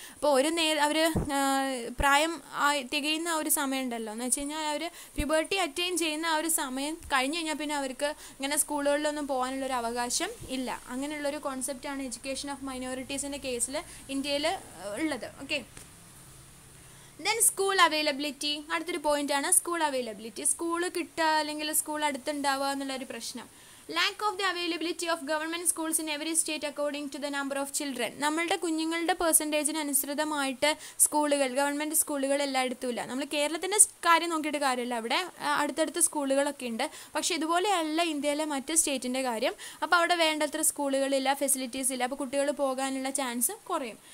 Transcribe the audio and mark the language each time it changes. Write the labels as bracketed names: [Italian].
[Malayalam] അപ്പോൾ ഒരു അവർ പ്രായം തികയുന്ന ആ ഒരു സമയം ഉണ്ടല്ലോ, എന്ന് വെച്ച് കഴിഞ്ഞാൽ അവർ പ്യുബർട്ടി അറ്റൈൻ ചെയ്യുന്ന ആ ഒരു സമയം കഴിഞ്ഞ് കഴിഞ്ഞാൽ പിന്നെ അവർക്ക് ഇങ്ങനെ സ്കൂളുകളിലൊന്നും പോകാനുള്ളൊരു അവകാശം ഇല്ല. അങ്ങനെയുള്ളൊരു കോൺസെപ്റ്റാണ് എഡ്യൂക്കേഷൻ ഓഫ് മൈനോറിറ്റീസിൻ്റെ കേസിൽ ഇന്ത്യയിൽ ഉള്ളത്. ഓക്കെ, ദെൻ സ്കൂൾ അവൈലബിലിറ്റി, അടുത്തൊരു പോയിന്റാണ് സ്കൂൾ അവൈലബിലിറ്റി. സ്കൂള് കിട്ടുക അല്ലെങ്കിൽ സ്കൂൾ അടുത്തുണ്ടാവുക എന്നുള്ളൊരു പ്രശ്നം. [English] Lack of the availability of government schools in every state according to the number of children. [Malayalam] നമ്മളുടെ കുഞ്ഞുങ്ങളുടെ പെർസെൻറ്റേജിന് അനുസൃതമായിട്ട് സ്കൂളുകൾ, ഗവൺമെൻറ് സ്കൂളുകൾ എല്ലായിടത്തും ഇല്ല. നമ്മൾ കേരളത്തിൻ്റെ കാര്യം നോക്കിയിട്ട് കാര്യമില്ല, അവിടെ അടുത്തടുത്ത് സ്കൂളുകളൊക്കെ ഉണ്ട്. പക്ഷേ ഇതുപോലെയല്ല ഇന്ത്യയിലെ മറ്റ് സ്റ്റേറ്റിൻ്റെ കാര്യം. അപ്പോൾ അവിടെ വേണ്ടത്ര സ്കൂളുകളില്ല, ഫെസിലിറ്റീസ് ഇല്ല, അപ്പോൾ കുട്ടികൾ പോകാനുള്ള ചാൻസ് കുറയും.